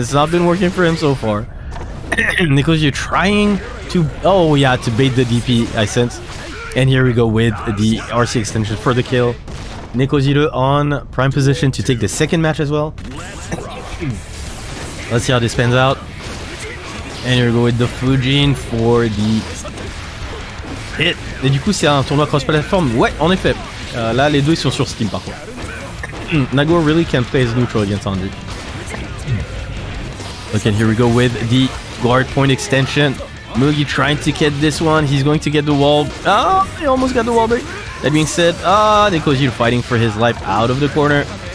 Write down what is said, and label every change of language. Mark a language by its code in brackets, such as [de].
[en] It's not been working for him so far. Nekoziru trying to, oh yeah, to bait the DP, I sense. And here we go with the RC extension for the kill. Nekoziru on prime position to take the second match as well. Let's see how this pans out. And here we go with the Fujin for the hit. [fr] Et du coup, c'est un tournoi cross-platform. Ouais, en effet. Là, les deux sont sur Steam, par contre. [en] Nagoriyuki really can play as neutral against Anji. Okay, here we go with the guard point extension. Mugi trying to get this one. He's going to get the wall. Oh, he almost got the wall break. That being said, Nekoziru fighting for his life out of the corner.